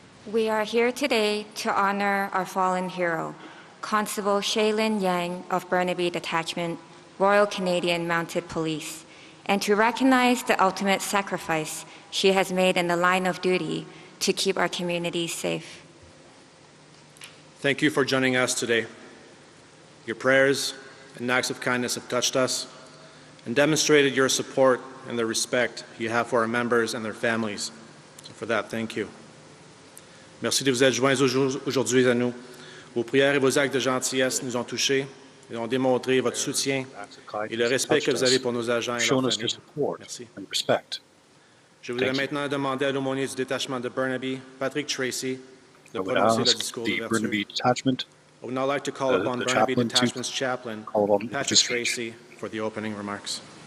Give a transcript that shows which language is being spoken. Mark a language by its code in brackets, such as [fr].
[en] We are here today to honor our fallen hero, Constable Shaelyn Yang of Burnaby Detachment, Royal Canadian Mounted Police, and to recognize the ultimate sacrifice she has made in the line of duty to keep our community safe. Thank you for joining us today. Your prayers and acts of kindness have touched us and demonstrated your support and the respect you have for our members and their families. So for that, thank you. [fr] Merci de vous être joints aujourd'hui à nous. Vos prières et vos actes de gentillesse nous ont touchés et ont démontré votre soutien et le respect que vous avez pour nos agents et leurs familles. Merci. [en] And respect. [fr] Je voudrais maintenant demander à l'aumônier du détachement de Burnaby, Patrick Tracy, de prononcer le discours d'ouverture. [en] I would now like to call upon Burnaby Detachment's chaplain, Patrick Tracy, for the opening remarks.